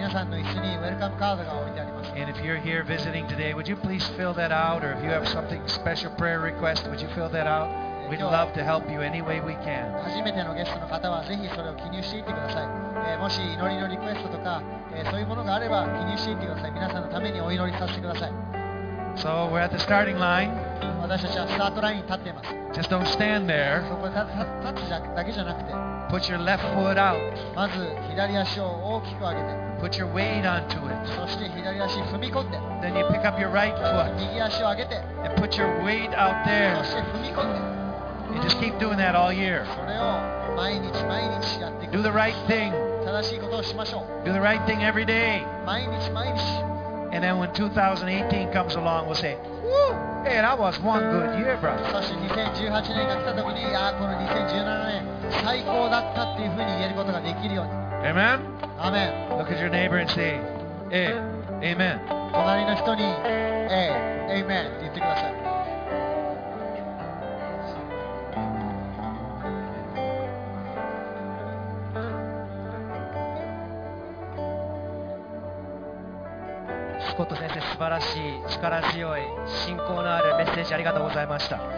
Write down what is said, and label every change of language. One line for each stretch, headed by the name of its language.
English: And if you're here visiting today, would you please fill that out? Or if you have something special prayer request, would you fill that out? We'd love to help you any way we can.
Japanese: 初めてのゲストの方はぜひそれを記入していってください。もし祈りのリクエストとかそういうものがあれば記入していってください。皆さんのためにお祈りさせてください。
English: So we're at the starting line.
Japanese: 私たちはスタートラインに立っています。
English: Just don't stand there.
Japanese: そこで立つだけじゃなくて。
English: Put your left foot out.
Japanese: まず左足を大きく上げて。
English: Put your weight onto it.
Japanese: そして左足踏み込んで。
English: Then you pick up your right foot.
Japanese: 右足を上げて。
English: And put your weight out there.
Japanese: そして踏み込んで。
English: And just keep doing that all year.
Japanese: それを毎日毎日やっていく。
English: Do the right thing.
Japanese: 正しいことをしましょう。
English: Do the right thing every day.
Japanese: 毎日毎日。
English: And then when 2018 comes along, we'll say, Woo! Hey, that was one good year, bro.
Japanese: そして2018年が来た時に、ああ、この2017年、最高だったっていうふうに言えることができるように。
English: Amen? Amen. Look at your neighbor and say, Hey, Amen.
Japanese: 隣の人に、
English: Hey, Amen
Japanese: って言ってください。コット先生、素晴らしい、力強い、信仰のあるメッセージありがとうございました。